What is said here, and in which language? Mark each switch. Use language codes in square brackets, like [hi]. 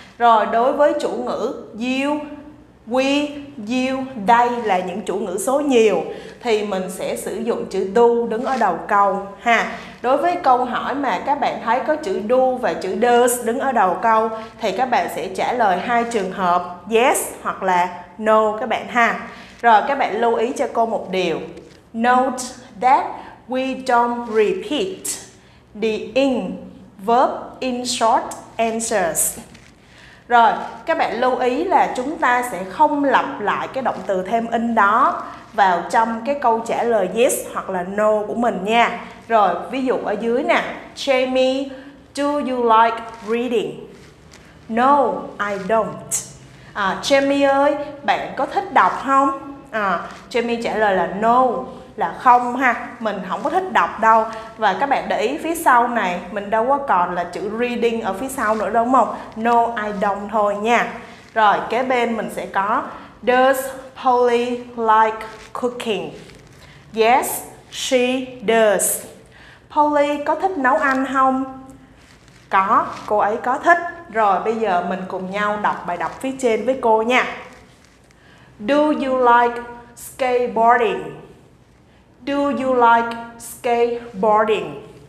[vi] Rồi đối với chủ ngữ you, we, you, they là những chủ ngữ số nhiều thì mình sẽ sử dụng chữ do đứng ở đầu câu ha. Đối với câu hỏi mà các bạn thấy có chữ do và chữ does đứng ở đầu câu thì các bạn sẽ trả lời hai trường hợp yes hoặc là no các bạn ha. Rồi các bạn lưu ý cho cô một điều. [en] Note that we don't repeat the in verb in short answers. [vi] Rồi, các bạn lưu ý là chúng ta sẽ không lặp lại cái động từ thêm in đó vào trong cái câu trả lời yes hoặc là no của mình nha. Rồi, ví dụ ở dưới nè. [en] Jamie, do you like reading? No, I don't. [vi] Jamie ơi, bạn có thích đọc không? Jamie trả lời là no, là không ha. Mình không có thích đọc đâu. Và các bạn để ý phía sau này, mình đâu có còn là chữ reading ở phía sau nữa đúng không? [en] No, I don't [vi] thôi nha. Rồi, kế bên mình sẽ có [en] does Polly like cooking? Yes, she does. [vi] Polly có thích nấu ăn không? Có, cô ấy có thích. Rồi bây giờ mình cùng nhau đọc bài đọc phía trên với cô nha. [en] Do you like skateboarding? Do you like skateboarding?